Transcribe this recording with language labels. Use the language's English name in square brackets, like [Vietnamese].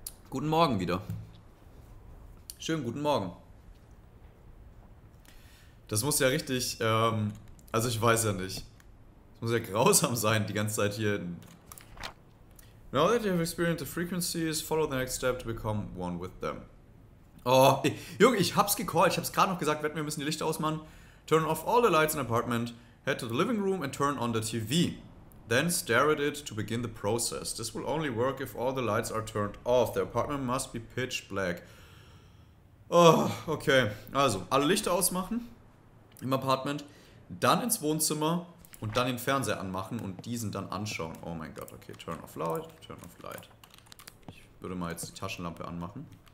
[German] Guten Morgen wieder. Schönen guten Morgen. Das muss ja richtig, also ich weiß ja nicht. Das muss ja grausam sein, die ganze Zeit hier. [English] Now that you have experienced the frequencies, follow the next step to become one with them. [German] Oh, Junge, ich hab's gecallt. Ich hab's gerade noch gesagt, wir müssen die Lichter ausmachen. [English] Turn off all the lights in the apartment, head to the living room and turn on the TV. Then stare at it to begin the process. This will only work if all the lights are turned off. The apartment must be pitch black. Oh, okay. [German] Also, alle Lichter ausmachen im Apartment, dann ins Wohnzimmer und dann den Fernseher anmachen und diesen dann anschauen. Oh mein Gott, okay. [English] Turn off light, turn off light. [German] Ich würde mal jetzt die Taschenlampe anmachen.